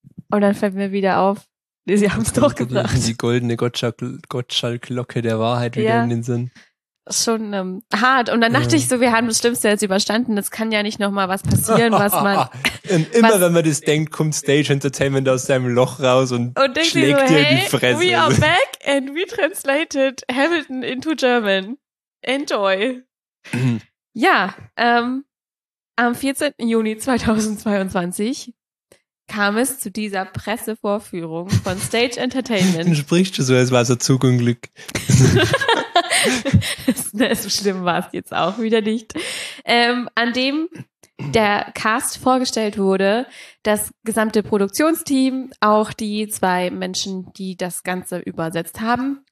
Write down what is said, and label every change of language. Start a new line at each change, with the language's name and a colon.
German: Und dann fällt mir wieder auf, nee, sie haben es doch gebracht. Die goldene Gottschall-Glocke der Wahrheit wieder in den Sinn. Schon hart. Und dann dachte ich so, wir haben das Schlimmste jetzt überstanden. Das kann ja nicht nochmal was passieren, was man... wenn man das denkt, kommt Stage Entertainment aus seinem Loch raus und schlägt so, dir in die Fresse.
English: We are back and we translated Hamilton into German. Enjoy.
German: Ja, am 14. Juni 2022 kam es zu dieser Pressevorführung von Stage Entertainment. Dann sprichst du so, als war es ein Zugunglück. Das schlimm war es jetzt auch wieder nicht. An dem der Cast vorgestellt wurde, das gesamte Produktionsteam, auch die 2 Menschen, die das Ganze übersetzt haben.